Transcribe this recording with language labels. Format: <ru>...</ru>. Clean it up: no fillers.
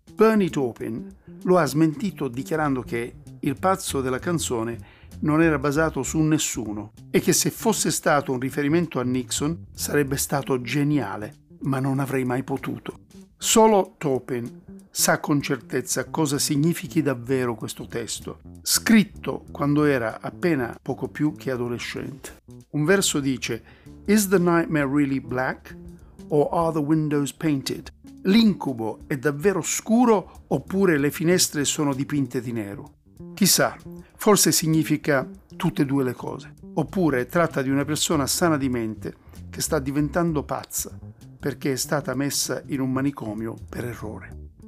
<it>Bernie Taupin lo ha smentito dichiarando che il pazzo della canzone non era basato su nessuno e che se fosse stato un riferimento a Nixon sarebbe stato geniale, ma non avrei mai potuto. Solo Taupin sa con certezza cosa significhi davvero questo testo, scritto quando era appena poco più che adolescente. Un verso dice:</it> <en>Is the nightmare really black or are the windows painted?</en> <it>L'incubo è davvero scuro oppure le finestre sono dipinte di nero? Chissà, forse significa tutte e due le cose. Oppure tratta di una persona sana di mente che sta diventando pazza perché è stata messa in un manicomio per errore.</it>